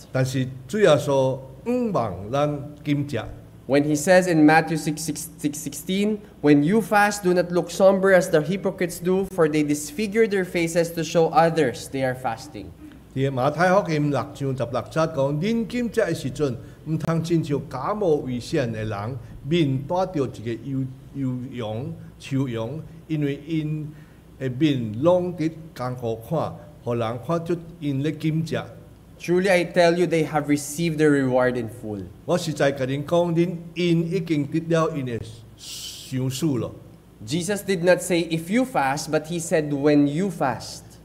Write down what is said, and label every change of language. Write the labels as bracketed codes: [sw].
[nan] 但是主耶稣唔望咱禁食。 [en] When he says in Matthew 6:16, when you fast, do not look somber as the hypocrites do, for they disfigure their faces to show others they are fasting. [nan] 在马太福音六章十六节讲，恁禁食的时阵，唔通亲像假冒伪善的人，面带着一个愁容，因为因的面拢得艰苦看。 [en] Truly, I tell you, they have received their reward in full. Jesus did not say, if you fast, but he said, when you fast.